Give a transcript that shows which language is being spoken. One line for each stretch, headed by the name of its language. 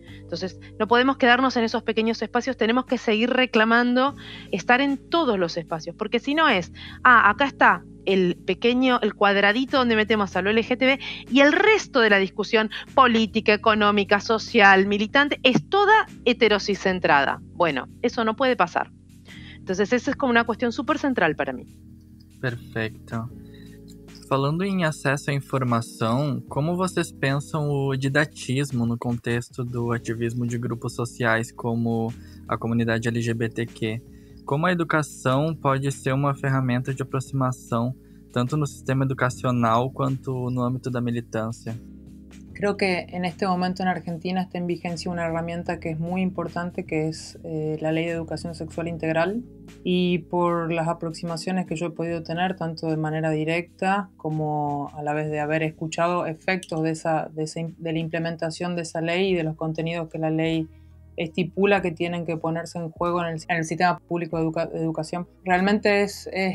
Spanish: Entonces, no podemos quedarnos en esos pequeños espacios, tenemos que seguir reclamando estar en todos los espacios, porque si no es, acá está el cuadradito donde metemos a lo LGTB y el resto de la discusión política, económica, social, militante, es toda heterosis centrada. Bueno, eso no puede pasar. Entonces, esa es como una cuestión súper central para mí. Perfecto.
Portuguese: Falando em acesso à informação, como vocês pensam o didatismo no contexto do ativismo de grupos sociais como a comunidade LGBTQ? Como a educação pode ser uma ferramenta de aproximação, tanto no sistema educacional quanto no âmbito da militância?
Spanish: Creo que en este momento en Argentina está en vigencia una herramienta que es muy importante, que es la Ley de Educación Sexual Integral. Y por las aproximaciones que yo he podido tener, tanto de manera directa como a la vez de haber escuchado efectos de la implementación de esa ley y de los contenidos que la ley estipula que tienen que ponerse en juego en el sistema público de educación, realmente es